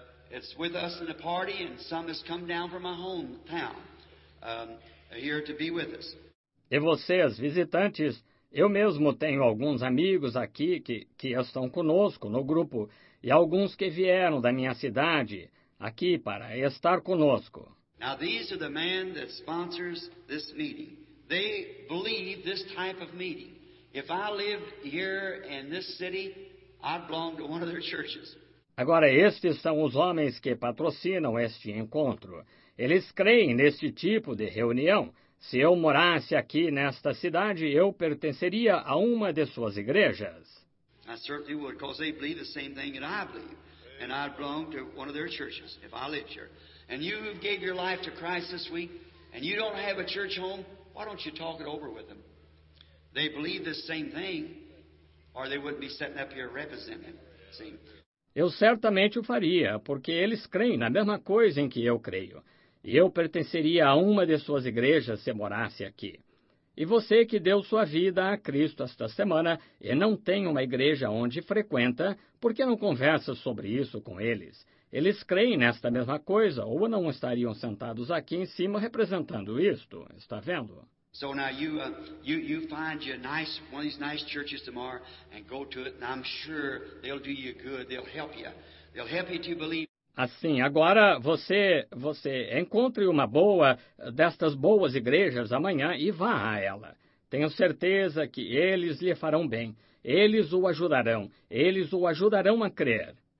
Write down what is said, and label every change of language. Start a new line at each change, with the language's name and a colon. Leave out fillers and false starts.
English: It's with us in the party, and some has come down from my hometown here to be with us.
Portuguese: E vocês, visitantes, eu mesmo tenho alguns amigos aqui que estão conosco no grupo e alguns que vieram da minha cidade aqui para estar conosco.
English: Now these are the men that sponsors this meeting. They believe this type of meeting. If I lived here in this city, I'd belong to one of their churches.
Portuguese: Agora estes são os homens que patrocinam este encontro. Eles creem neste tipo de reunião. Se eu morasse aqui nesta cidade, eu pertenceria a uma de suas igrejas.
English: I certainly would, because they believe the same thing that I believe. And I'd belong to one of their churches if I lived here. And you who gave your life to Christ this week, and you don't have a church home, why don't you talk it over with them? They believe the same thing, or they wouldn't be sitting up here representing it. See?
Portuguese: Eu certamente o faria, porque eles creem na mesma coisa em que eu creio. E eu pertenceria a uma de suas igrejas se morasse aqui. E você que deu sua vida a Cristo esta semana e não tem uma igreja onde frequenta, por que não conversa sobre isso com eles? Eles creem nesta mesma coisa ou não estariam sentados aqui em cima representando isto? Está vendo?
English: So now you find you a nice one of these nice churches tomorrow and go to it, and I'm sure they'll do you good. They'll help you. They'll help you to believe.
Portuguese: Assim, agora você encontre uma boa destas boas igrejas amanhã e vá a ela. Tenho certeza que eles lhe farão bem. Eles o ajudarão. Eles o ajudarão a crer.